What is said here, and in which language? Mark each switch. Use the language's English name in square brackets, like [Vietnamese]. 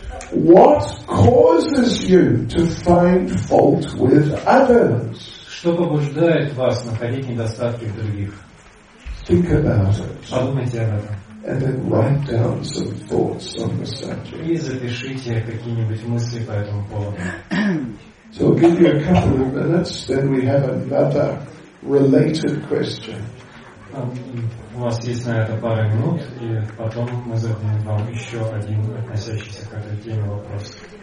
[English] What causes you to find fault with others? [Russian] Что побуждает вас находить недостатки в других? [English] Think about it. [Russian] Подумайте об этом. [English] And then write down some thoughts on the subject. [Russian] И запишите какие-нибудь мысли по этому поводу. [English] So I'll give you a couple of minutes, then we have another related question. [Russian] У вас есть на это пара минут, и потом мы зададим вам еще один относящийся к этой теме вопрос.